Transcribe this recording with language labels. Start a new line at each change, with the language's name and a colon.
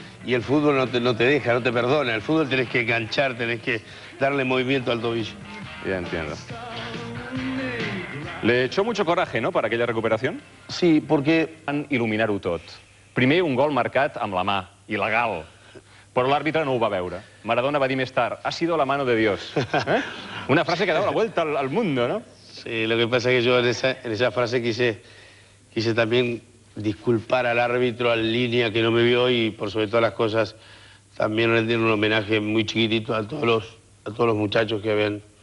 Spanish: Y el fútbol no te deja, no te perdona. El fútbol tenés que enganchar, tenés que darle movimiento al tobillo. Ya entiendo. ¿Le echó mucho coraje, no?, para aquella recuperación. Sí, porque...
Catalan: Van il·luminar-ho tot. Primer, un gol marcat amb la mà, il·legal. Però l'àrbitre no ho va veure. Maradona va dir més tard,
Spanish: ha sido la mano de Dios. ¿Eh? Una frase que ha dado la vuelta al mundo, no? Sí, lo que pasa es que yo en esa frase quise también disculpar al árbitro, al línea que no me vio y, por sobre todas las cosas, también rendir un homenaje muy chiquitito a todos los muchachos que habían...